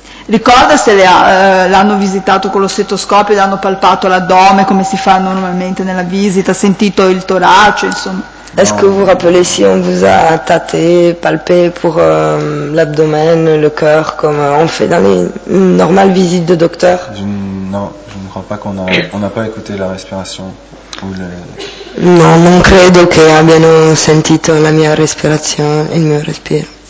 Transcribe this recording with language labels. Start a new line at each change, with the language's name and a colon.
Italian: Ricorda se l'hanno visitato con lo stetoscopio, l'hanno palpato l'addome, come si fa normalmente nella visita, sentito il torace, insomma.
French: Est-ce que vous rappelez si on vous a tâté, palpé pour l'abdomen, le cœur, comme on fait dans les normales visites de docteur? Je ne crois pas qu'on a, on n'a pas écouté la respiration. Ou le...
Italian: Non, non credo che abbiano sentito la mia respirazione, il mio respiro.